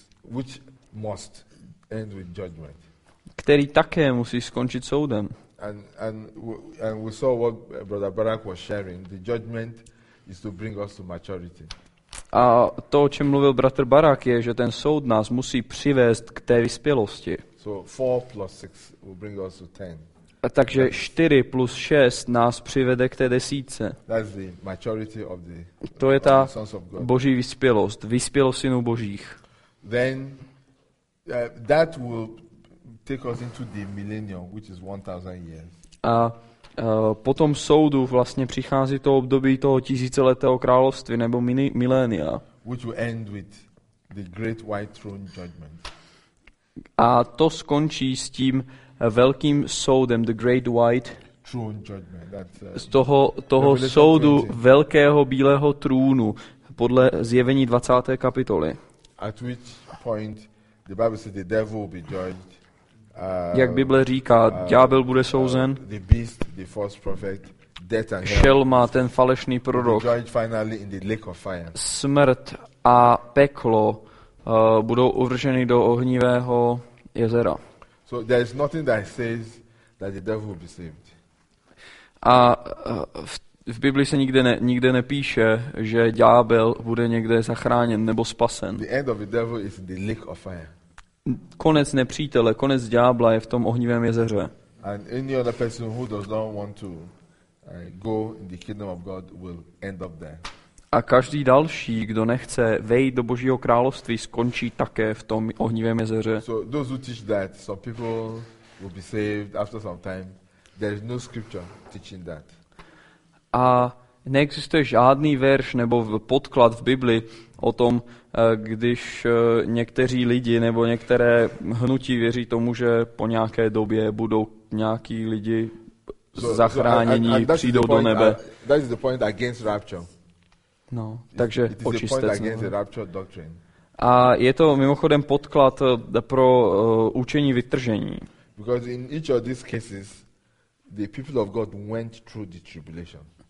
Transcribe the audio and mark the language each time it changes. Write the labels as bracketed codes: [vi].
[en] Which must end with judgment. [cs] Který také musí skončit soudem. [en] And we saw what Brother Barak was sharing. The judgment is to bring us to maturity. [cs] A to, o čem mluvil bratr Barak, je, že ten soud nás musí přivést k té vyspělosti. [en] So 4 plus 6 will bring us to 10. [cs] A takže 4 plus 6 nás přivede k té desítce. [en] That's the maturity of the sons of God. [cs] To je ta boží vyspělost, vyspělost synů božích. [en] Then that will take us into the millennium, which is 1000 years. [cs] Po tom soudu vlastně přichází to období toho tisíciletého království nebo milénia. [en] Which will end with the great white throne judgment. [cs] A to skončí s tím velkým soudem, [en] the great white throne judgment. [cs] Z toho soudu 20. velkého bílého trůnu podle zjevení 20. kapitoly. [en] At which point the Bible says the devil will be judged. [cs] Jak Bible říká, ďábel bude souzen. [en] The beast, the false prophet, death and hell. [cs] Šelma, ten falešný prorok. [en] Judged finally in the lake of fire. [cs] Smrt a peklo budou uvrženy do ohnivého jezera. [en] So there is nothing that says that the devil will be saved. [cs] A v Biblii se nikde nepíše, že ďábel bude někde zachráněn nebo spasen. [en] The end of the devil is in the lake of fire. [cs] Konec nepřítele, konec ďábla je v tom ohnivém jezeře. [en] And any other person who does not want to go in the kingdom of God will end up there. [cs] A každý další, kdo nechce vejít do Božího království, skončí také v tom ohnivém jezeře. [en] So those who teach that some people will be saved after some time, There is no scripture teaching that. [cs] A neexistuje žádný verš nebo podklad v Biblii o tom, když někteří lidi nebo některé hnutí věří tomu, že po nějaké době budou nějaký lidi zachráněni, přijdou do nebe. [en] That is the point against rapture. [cs] No, takže očistec. [en] It is the point against the rapture doctrine. [cs] A je to mimochodem podklad pro učení vytržení. [en] Because in each of these cases, the people of God went through the tribulation.